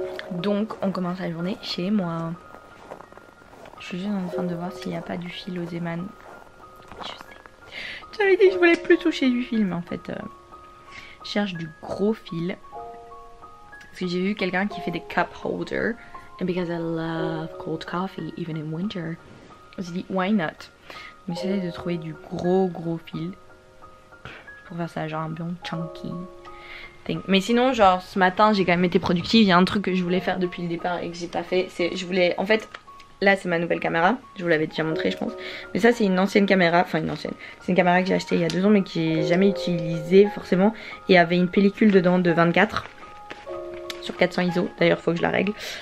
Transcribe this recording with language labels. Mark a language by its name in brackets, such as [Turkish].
[French] Donc, on commence la journée chez moi. Je suis juste en train de voir s'il n'y a pas du fil aux émanes. Je sais. J'avais dit que je voulais plus toucher du fil, mais en fait, je cherche du gros fil. Parce que j'ai vu quelqu'un qui fait des cup holders. [English] And because I love cold coffee, even in winter. [French] J'ai dit, [English] why not? [French] J'essaie de trouver du gros fil pour faire ça genre un bien [English] chunky thing. [French] Mais sinon genre ce matin j'ai quand même été productive, il y a un truc que je voulais faire depuis le départ et que j'ai pas fait, c'est je voulais, en fait là c'est ma nouvelle caméra, je vous l'avais déjà montré je pense, mais ça c'est une ancienne caméra, enfin une ancienne, c'est une caméra que j'ai acheté il y a 2 ans mais que j'ai jamais utilisée forcément et avait une pellicule dedans de 24 sur 400 ISO, d'ailleurs faut que je la règle.